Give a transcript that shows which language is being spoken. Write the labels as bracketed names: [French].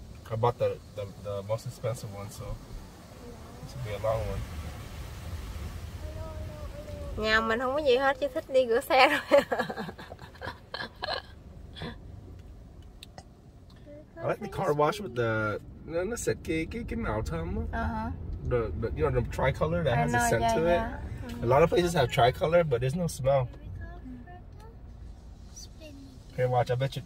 [English] I bought the most expensive one, so this will be a long one. [Vietnamese] Nhà mình không có gì hết, chỉ thích đi rửa xe thôi. [English] I like the car wash with the, no, no, set cake and out of the, you know, the tricolor that has a scent to it. Mm-hmm. A lot of places have tricolor, but there's no smell. Mm-hmm. Here, watch. I bet you.